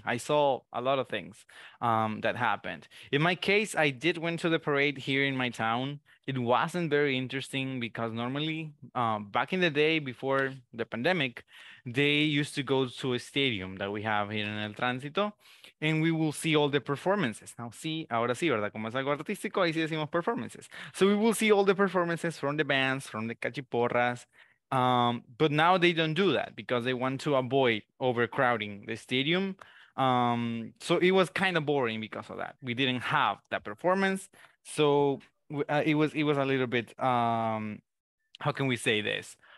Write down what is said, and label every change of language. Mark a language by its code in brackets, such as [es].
[en] I saw a lot of things that happened. In my case, I did went to the parade here in my town. It wasn't very interesting because normally back in the day before the pandemic, they used to go to a stadium that we have here in El Tránsito. And we will see all the performances. Now, see, [es] ahora sí, ¿verdad? Como es algo artístico, ahí sí decimos performances. [en] So we will see all the performances from the bands, from the cachiporras. But now they don't do that because they want to avoid overcrowding the stadium. So it was kind of boring because of that. We didn't have that performance. So it was a little bit, how can we say this?